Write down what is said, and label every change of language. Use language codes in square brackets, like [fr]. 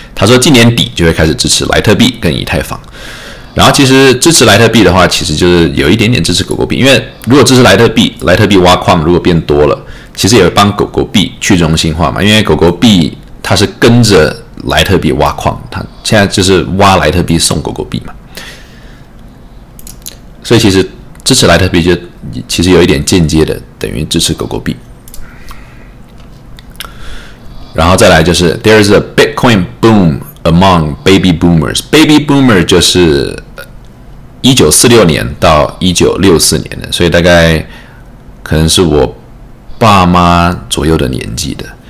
[zh] 他说今年底就会开始支持莱特币跟以太坊，然后其实支持莱特币的话其实就是有一点点支持狗狗币，因为如果支持莱特币，莱特币挖矿如果变多了，其实也会帮狗狗币去中心化嘛，因为狗狗币它是跟着莱特币挖矿，它现在就是挖莱特币送狗狗币嘛，所以其实支持莱特币就其实有一点间接的等于支持狗狗币。然后再来就是 [en] There is a Bitcoin boom among baby boomers. [zh] Baby boomer 就是1946年到1964年的，所以大概可能是我爸妈左右的年纪的。